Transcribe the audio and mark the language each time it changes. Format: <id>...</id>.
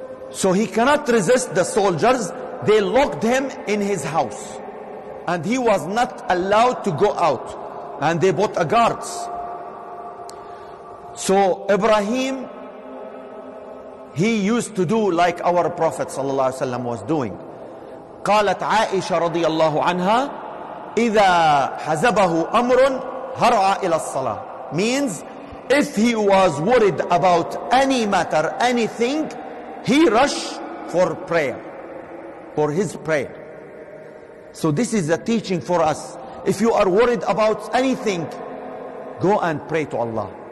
<en>So he cannot resist the soldiers. They locked him in his house. And he was not allowed to go out. And they bought a guards. So Ibrahim, he used to do like our Prophet sallallahu alaihi wasallam was doing.</en> <ar>قالت عائشة رضي الله عنها إذا حزبه أمر هرع إلى الصلاة.</ar> <en>Means if he was worried about any matter, anything, he rush for prayer, for his prayer. So this is a teaching for us. If you are worried about anything, go and pray to Allah.</en>